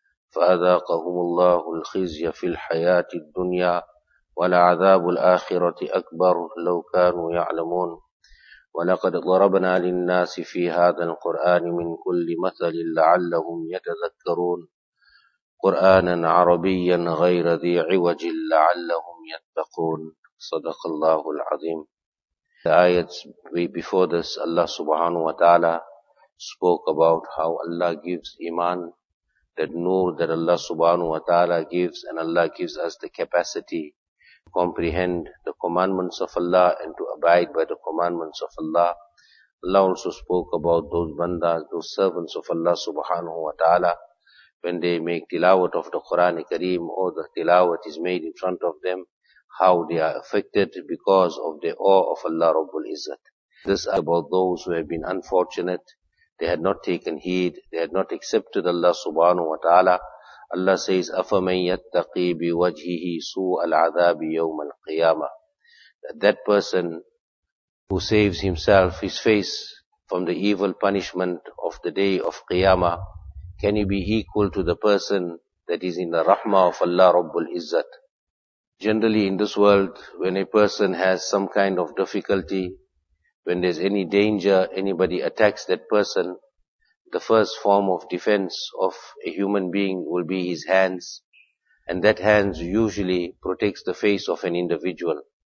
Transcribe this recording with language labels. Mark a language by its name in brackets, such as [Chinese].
[Arabic] فأذاقهم الله الخزي في الحياة الدنيا ولعذاب الآخرة أكبر لو كانوا يعلمون. ولقد ضربنا للناس في هذا القرآن من كل مثل لعلهم يتذكرون. قرآنا عربيا غير ذي عوج لعلهم يتقون. صدق الله العظيم. [English] The ayats before this, Allah subhanahu wa ta'ala spoke about how Allah gives iman, that nur that Allah subhanahu wa ta'ala gives, and Allah gives us the capacity to comprehend the commandments of Allah and to abide by the commandments of Allah. Allah also spoke about those bandas, those servants of Allah subhanahu wa ta'ala, when they make tilawat of the Quran Kareem, or the tilawat is made in front of them, how they are affected because of the awe of Allah Rabbul Izzat. This is about those who have been unfortunate. They had not taken heed. They had not accepted Allah subhanahu wa ta'ala. Allah says, [Arabic] أَفَمَنْ يَتَّقِي بِوَجْهِهِ سُوءَ الْعَذَابِ يَوْمَ الْقِيَامَةِ. [English] That person who saves himself, his face, from the evil punishment of the day of Qiyamah, can he be equal to the person that is in the rahmah of Allah Rabbul Izzat? Generally in this world, when a person has some kind of difficulty, when there's any danger, anybody attacks that person, the first form of defense of a human being will be his hands, and that hands usually protects the face of an individual.